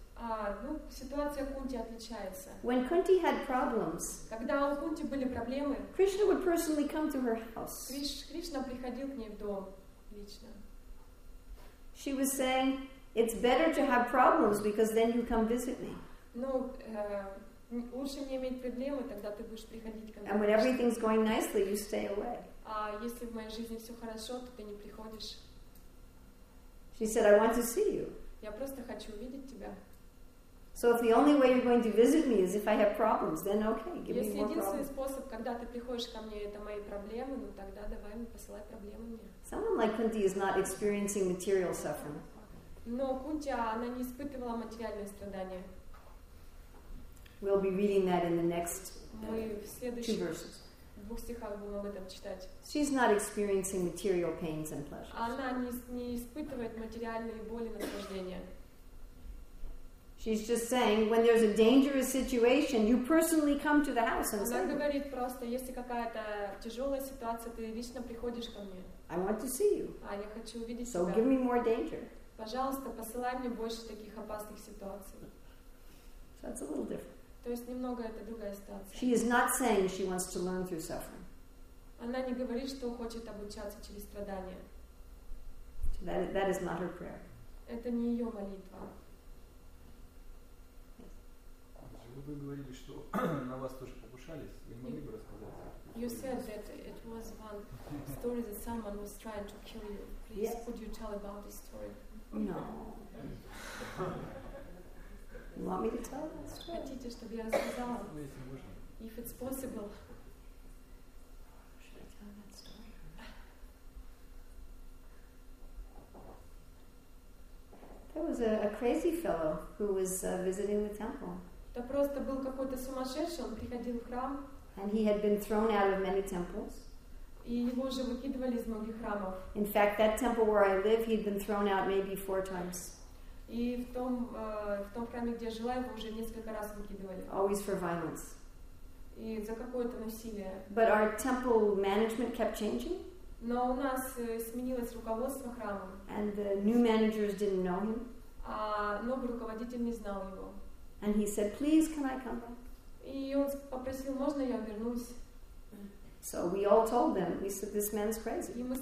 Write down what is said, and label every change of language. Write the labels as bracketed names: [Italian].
[Russian] Ну, ситуация Кунти отличается. [English] When Kunti had problems, [Russian] когда у Кунти были проблемы, [English] Krishna would personally come to her house. [Russian] Кришна приходил к ней в дом лично. [English] She was saying, "It's better to have problems because then you come visit me." [Russian] Ну, лучше не иметь проблемы, тогда ты будешь приходить ко мне. [English] And when everything's going nicely, you stay away. [Russian] А если в моей жизни все хорошо, то ты не приходишь. [English] She said, I want to see you. [Russian] Я просто хочу увидеть тебя. [English] So if the only way you're going to visit me is if I have problems, then okay, give [Russian] если [English] me more problems. [Russian] Если единственный способ, когда ты приходишь ко мне, это мои проблемы, ну тогда давай, мне посылай проблемы мне. [English] Someone like Kunti is not experiencing material suffering. [Russian] Но Кунти, она не испытывала материальные страдания. [English] We'll be reading that in the next two verses. [Russian] В двух стихах будем об этом читать. [English] She's not experiencing material pains and pleasures. [Russian] Она не испытывает материальные боли и наслаждения. [English] She's just saying, when there's a dangerous situation, you personally come to the house and say, [Russian] говорит просто, если какая-то тяжелая ситуация, ты лично приходишь ко мне. [English] I want to see you. [Russian] А я хочу увидеть тебя. [English] So give me more danger. [Russian] Пожалуйста, посылай мне больше таких опасных ситуаций. [English] So that's a little different. [Russian] То есть немного это другая ситуация. [English] She is not saying she wants to learn through suffering. [Russian] Она не говорит, что хочет обучаться через страдания. [English] That is not her prayer. [Russian] Это не ее молитва. Вы говорили, что на вас тоже покушались. Вы не могли бы рассказать? [English] You said that it was one story that someone was trying to kill you. Please, yes. Could you tell about this story? No. You want me to tell that story? [Russian] Хотите, чтобы я рассказала? Ну, если можно. [English] If it's possible. Should I tell that story? There was a crazy fellow who was visiting the temple. [Russian] Это просто был какой-то сумасшедший, он приходил в храм. [English] And he had been thrown out of many temples. [Russian] И его уже выкидывали из многих храмов. [English] In fact, that temple where I live, he'd been thrown out maybe 4 times. [Russian] И в том храме, где я жила, его уже несколько раз выкидывали. [English] Always for violence. [Russian] И за какое-то насилие. [English] But our temple management kept changing. [Russian] Но у нас сменилось руководство храма. [English] And the new managers didn't know him. [Russian] А новый руководитель не знал его. [English] And he said, please, can I come back? So we all told them, we said, this man's crazy.